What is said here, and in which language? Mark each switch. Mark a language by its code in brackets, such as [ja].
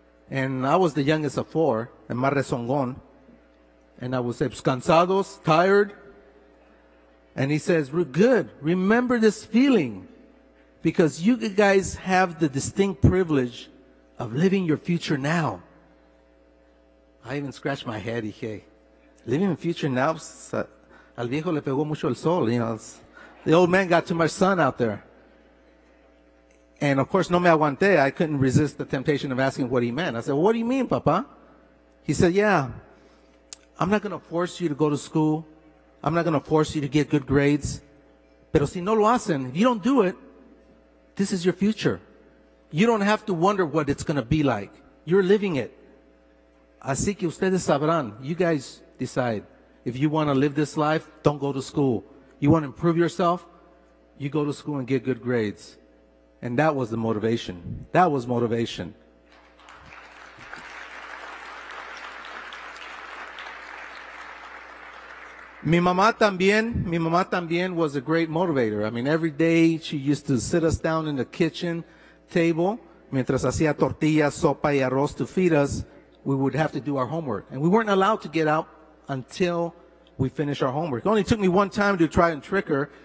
[en] And I was the youngest of four, and [es] más rezongón, [en] and I would say, [es] cansados, [en] tired. And he says, we're good. Remember this feeling, because you guys have the distinct privilege of living your future now. I even scratched my head. [es] Dije, [en] living the future now? [es] Al viejo le pegó mucho el sol, [en] you know. The old man got too much sun out there. And of course, [es] no me aguanté. [en] I couldn't resist the temptation of asking what he meant. I said, well, what do you mean, papa? He said, yeah, I'm not going to force you to go to school. I'm not going to force you to get good grades. [es] Pero si no lo hacen, [en] if you don't do it, this is your future. You don't have to wonder what it's going to be like. You're living it. [es] Así que ustedes sabrán. [en] You guys decide. If you want to live this life, don't go to school. You want to improve yourself, you go to school and get good grades. And that was the motivation. That was motivation. [es] Mi mamá también [en] was a great motivator. I mean, every day she used to sit us down in the kitchen table, [es] mientras hacía tortillas, sopa y arroz [en] to feed us, we would have to do our homework. And we weren't allowed to get out until we finish our homework. It only took me one time to try and trick her.